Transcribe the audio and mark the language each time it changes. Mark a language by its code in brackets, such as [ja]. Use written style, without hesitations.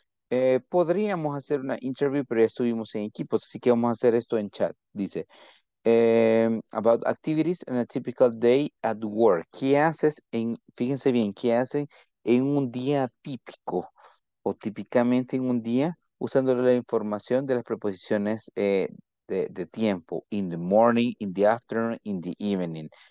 [es] Podríamos hacer una interview, pero ya estuvimos en equipos, así que vamos a hacer esto en chat. Dice, [en] About activities in a typical day at work. [es] ¿Qué haces en, fíjense bien, qué hacen en un día típico o típicamente en un día, usando la información de las preposiciones de tiempo? [en] In the morning, in the afternoon, in the evening.